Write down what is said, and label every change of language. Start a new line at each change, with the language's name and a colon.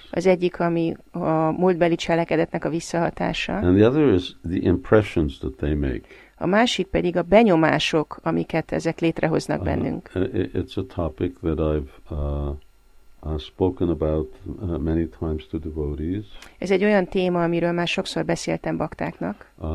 Hungarian: Az egyik, ami a múltbeli cselekedetnek a visszahatása.
English: And the other is the impressions that they make.
Hungarian: A másik pedig a benyomások, amiket ezek létrehoznak bennünk.
English: It's a topic that I've spoken about many times to devotees.
Hungarian: Ez egy olyan téma, amiről már sokszor beszéltem baktáknak.